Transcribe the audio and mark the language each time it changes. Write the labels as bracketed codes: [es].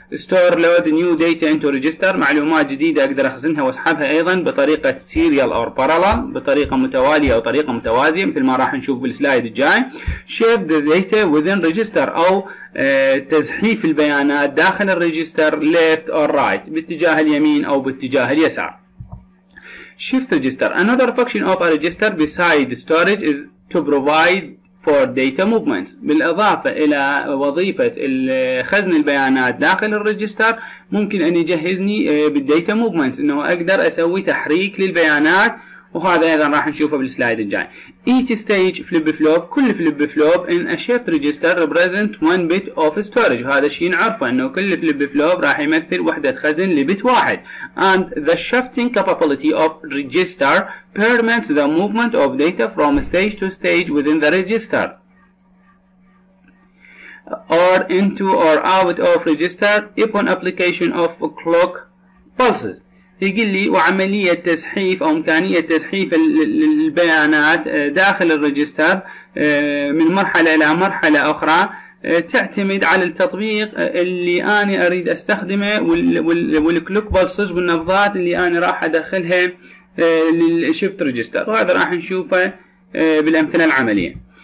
[en] store load new data into register، [ar] معلومات جديده اقدر اخزنها واسحبها ايضا بطريقه [en] serial or parallel، [ar] بطريقه متواليه او طريقه متوازيه مثل ما راح نشوف بالسلايد الجاي. [en] shape the data within register [ar] او تزحيف البيانات داخل الريجستر [en] left or right، [ar] باتجاه اليمين او باتجاه اليسار. [en] Shift register. Another function of a register besides storage is to provide for data movements. [ar] بالإضافة إلى وظيفة خزن البيانات داخل الريجستر، ممكن أن يجهزني بالdata movements، إنه أقدر أسوي تحريك للبيانات، وهذا أيضا راح نشوفه بالسلايد الجاي. [en] Each stage flip flop. كل flip flop in a shift register represent one bit of storage. [ar] هذا الشيء نعرفه، إنه كل flip flop راح يمثل وحدة خزن لبت واحد. [en] And the shifting capability of register permits the movement of data from stage to stage within the register or into or out of register upon application of clock pulses. [ar] يقول لي وعملية تزحيف أو إمكانية تزحيف البيانات داخل الريجستر من مرحلة إلى مرحلة أخرى تعتمد على التطبيق اللي أنا أريد أستخدمه والكلوك بلسز والنبضات اللي أنا راح أدخلها للشيفت ريجستر، وهذا راح نشوفه بالأمثلة العملية.